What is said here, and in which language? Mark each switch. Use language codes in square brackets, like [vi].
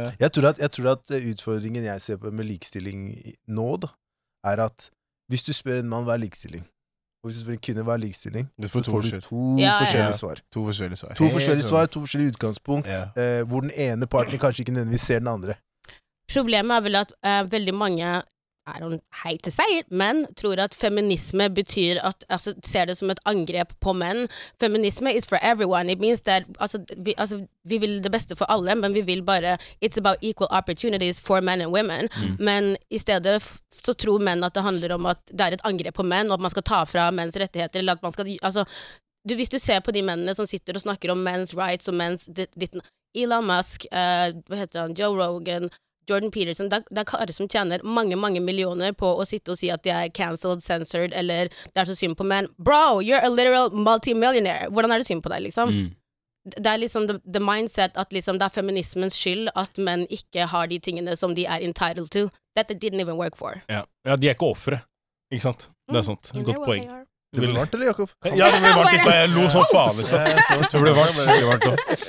[no] Jeg tror at utfordringen jeg ser på med likestilling nå, da, er at hvis du spør en mann hva er likestilling, og hvis du spør en kvinne hva er likestilling, så får du to forskjellige utgangspunkt, hvor den ene parten kanskje ikke nødvendigvis ser den andre. Problemet er vel at veldig mange... [en] I don't hate to say it, [no] men tror at feminisme betyr at altså, ser det som et angrep på menn. [en] Feminisme is for everyone. It means that [no] vi vil det beste for alle, men vi vil bare, [en] it's about equal opportunities for men and women. [no] Men i stedet så tror menn at det handler om at det er et angrep på menn, og at man skal ta fra menns rettigheter, eller at man skal, altså, du, hvis du ser på de mennene som sitter og snakker om menns rights og menns, Elon Musk, hva heter han, Joe Rogan, Jordan Peterson, det er karer som tjener mange, mange millioner på å sitte og si at de cancelled, censored, eller det så synd på menn. [en] Bro, you're a literal multimillionaire. [no] Hvordan det synd på deg, liksom? Mm. [sv] det är liksom [en] the mindset [sv] att liksom det är feminismens skyld att män inte har de tingene som de är entitled to [en] that they didn't even work for. [sv] Ja, ja, de är inte offre. [no] Ikke sant? [sv] Det är sånt. Godt poäng. Det blev varmt eller Jakob? Ja, det blev varmt så jag lo så fan visst. Det blev varmt, det blev varmt.